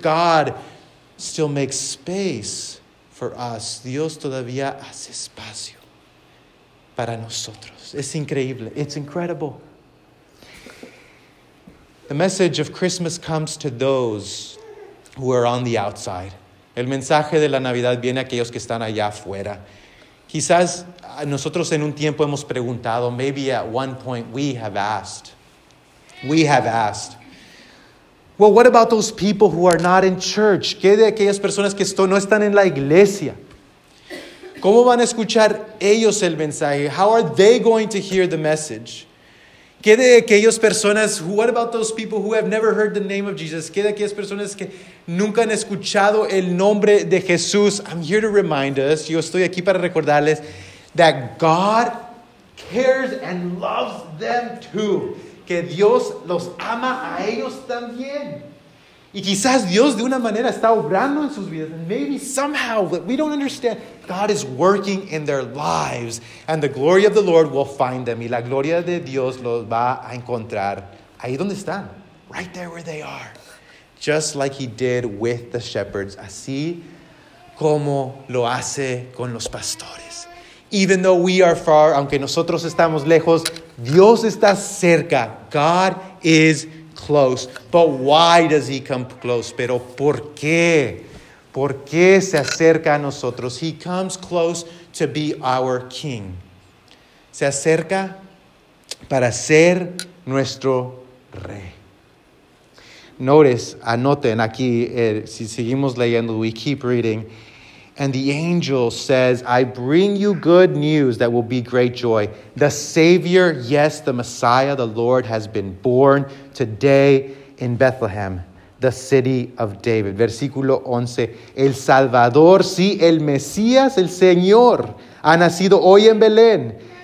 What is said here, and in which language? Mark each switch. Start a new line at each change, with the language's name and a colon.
English: God still makes space for us.
Spanish: Dios todavía hace espacio para nosotros. Es increíble.
English: It's incredible. The message of Christmas comes to those who are on the outside.
Spanish: El mensaje de la Navidad viene a aquellos que están allá afuera. Quizás nosotros en un tiempo hemos preguntado,
English: maybe at one point we have asked. We have asked. Well, what about those people who are not in church?
Spanish: ¿Qué de aquellas personas que no están en la iglesia? ¿Cómo van a escuchar ellos el mensaje?
English: How are they going to hear the message?
Spanish: ¿Qué de aquellas personas,
English: what about those people who have never heard the name of Jesus?
Spanish: ¿Qué de aquellas personas que nunca han escuchado el nombre de Jesús?
English: I'm here to remind us,
Spanish: yo estoy aquí para recordarles,
English: that God cares and loves them too.
Spanish: Que Dios los ama a ellos también. Y quizás Dios de una manera está obrando en sus vidas.
English: And maybe somehow, but we don't understand, God is working in their lives. And the glory of the Lord will find them.
Spanish: Y la gloria de Dios los va a encontrar ahí donde están.
English: Right there where they are. Just like he did with the shepherds.
Spanish: Así como lo hace con los pastores.
English: Even though we are far,
Spanish: aunque nosotros estamos lejos, Dios está cerca.
English: God is close. But why does he come close?
Spanish: Pero ¿por qué? ¿Por qué se acerca a nosotros?
English: He comes close to be our king.
Spanish: Se acerca para ser nuestro rey. Notice, anoten aquí, si seguimos leyendo,
English: we keep reading. And the angel says, I bring you good news that will be great joy. The Savior, yes, the Messiah, the Lord, has been born today in Bethlehem, the city of David.
Spanish: Versículo 11. El Salvador, sí, el Mesías, el Señor, ha nacido hoy en Belén.